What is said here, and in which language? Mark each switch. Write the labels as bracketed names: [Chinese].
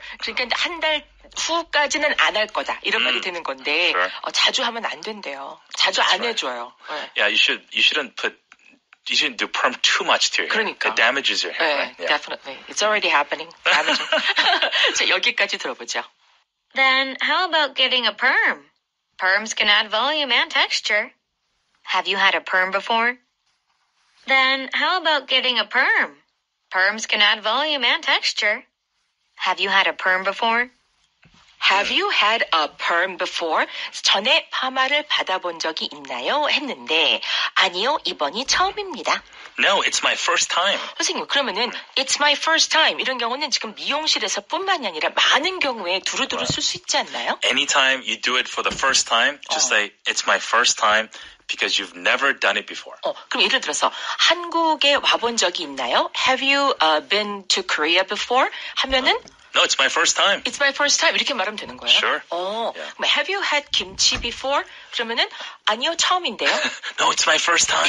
[Korean] 그러니까 한 달 후까지는 안 할 거다 이런 말이 되는 건데 [English] sure. [Korean] 자주 하면 안 된대요. 자주 [English] That's [Korean] 안 [English] right. [Korean] 해줘요. 네. [English] Yeah, you shouldn't do perm too much to your hair. [Korean] 그러니까 [English] it damages your hair. right? yeah. definitely. It's already happening. [Korean] 자 여기까지 들어보죠. [English] Then how about getting a perm? Perms can add volume and texture. Have you had a perm before? Then how about getting a perm? Perms can add volume and texture. Have you had a perm before? Have you had a perm before? [Korean] 전에 파마를 받아본 적이 있나요? 했는데 아니요, 이번이 처음입니다. [English] No, it's my first time. [Korean] 선생님, 그러면은 [English] it's my first time [Korean] 이런 경우는 지금 미용실에서 뿐만이 아니라 많은 경우에 두루두루 쓸 수 있지 않나요? [English] Anytime you do it for the first time, just say it's my first time. because you've never done it before. [Korean] 어, 그럼 예를 들어서 한국에 와본 적이 있나요? [English] Have you been to Korea before? [Korean] 하면은 [English] No, it's my first time. It's my first time. [Korean] 이렇게 말하면 되는 거예요? [English] Sure. Oh, yeah. Have you had kimchi before? [Korean] 그러면은 아니요, 처음인데요. [English] No, it's my first time.